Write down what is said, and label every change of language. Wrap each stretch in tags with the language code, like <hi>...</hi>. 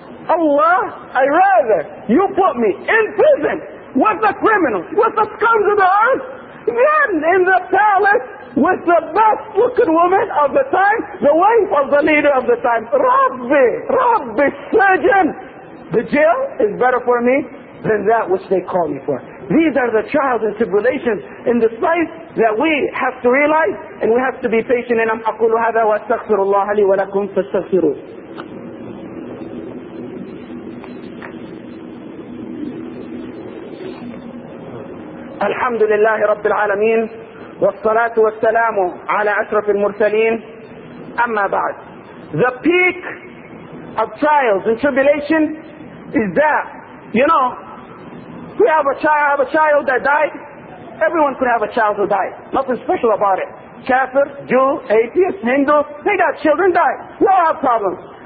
<en>Allah, I'd rather you put me in prison with the criminals, with the scum of the earth, than in the palace with the best looking woman of the time, the wife of the leader of the time. Rabbi, Rabbi Sijn. The jail is better for me than that which they call me for. These are the trials and tribulations in this life that we have to realize and we have to be patient. And I'm</en> <ar>أقول هذا وأستغفر الله لي ولكم فاستغفروا. الحمد لله رب العالمين والصلاة والسلام على أشرف المرسلين. أما بعد,</ar> <en>the peak of trials and tribulation is that, you know, we have a child, that died. Everyone could have a child who died. Nothing special about it. Kafir, Jew, atheist, Hindu, they got children, die. We all have problems.</en>